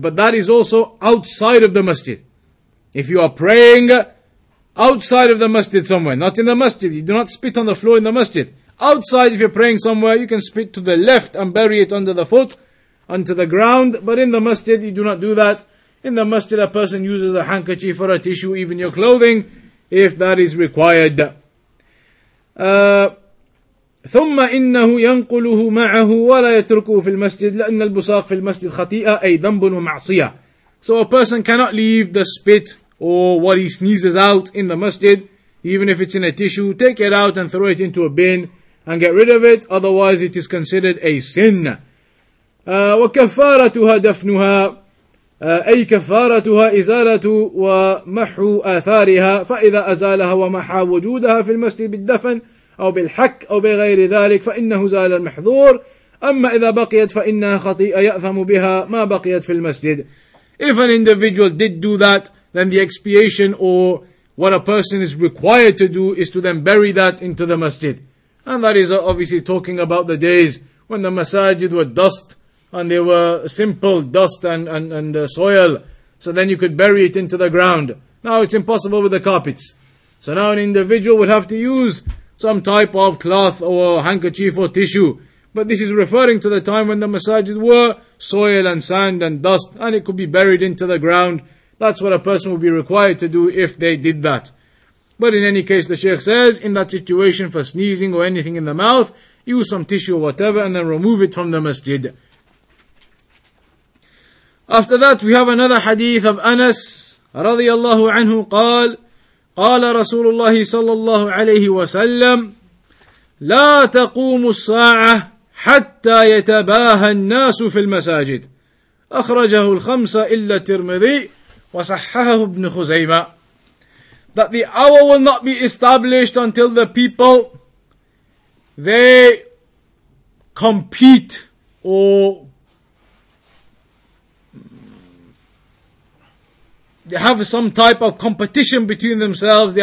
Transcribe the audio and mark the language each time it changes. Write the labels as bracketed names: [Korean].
[English] But that is also outside of the masjid. If you are praying outside of the masjid somewhere, not in the masjid, you do not spit on the floor in the masjid. Outside, if you're praying somewhere, you can spit to the left and bury it under the foot, onto the ground. But in the masjid, you do not do that. In the masjid, a person uses a handkerchief or a tissue, even your clothing, if that is required. [Arabic] ثم إنه ينقله معه ولا يتركه في المسجد لأن البصاق في المسجد خطيئة أي ذنب ومعصية. [English] So a person cannot leave the spit or what he sneezes out in the masjid, even if it's in a tissue, take it out and throw it into a bin and get rid of it, otherwise it is considered a sin. [Arabic] وكفارتها دفنها أي كفارتها إزالة ومحو آثارها فإذا أزالها ومحى وجودها في المسجد بالدفن أو بالحك أو بغير ذلك فإنه زال المحظور أما إذا بقيت فإنها خطيئة يأثم بها ما بقيت في المسجد. [English] If an individual did do that, then the expiation or what a person is required to do is to then bury that into the masjid. And that is obviously talking about the days when the masajid were dust and they were simple dust and soil. So then you could bury it into the ground. Now it's impossible with the carpets. So now an individual would have to use some type of cloth or handkerchief or tissue. But this is referring to the time when the masajid were soil and sand and dust, and it could be buried into the ground. That's what a person would be required to do if they did that. But in any case, the Sheikh says, in that situation for sneezing or anything in the mouth, use some tissue or whatever and then remove it from the masjid. After that, we have another hadith of Anas, radiallahu anhu, qal, [Arabic] قال رسول الله صلى الله عليه وسلم لا تقوم الساعة حتى يتباهى الناس في المساجد أخرجه الخمسة إلا الترمذي وصححه ابن خزيمة. [English] That the hour will not be established until the people they compete or they have some type of competition between themselves.